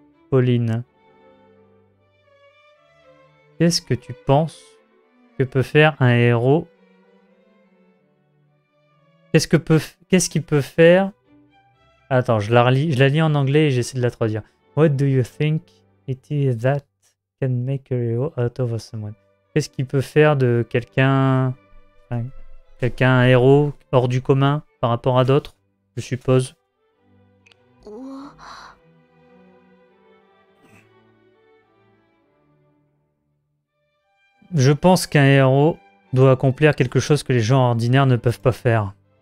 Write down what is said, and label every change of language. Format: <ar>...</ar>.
<fr>Pauline, qu'est-ce que tu penses que peut faire un héros? Qu'est-ce qu'il peut faire? Attends, je la lis en anglais et j'essaie de la traduire.</fr> <en>What do you think it is that can make a hero out of someone?</en> <fr>Qu'est-ce qu'il peut faire de quelqu'un? Quelqu'un, un héros hors du commun par rapport à d'autres, je suppose. Je pense qu'un héros doit accomplir quelque chose que les gens ordinaires ne peuvent pas faire.</fr>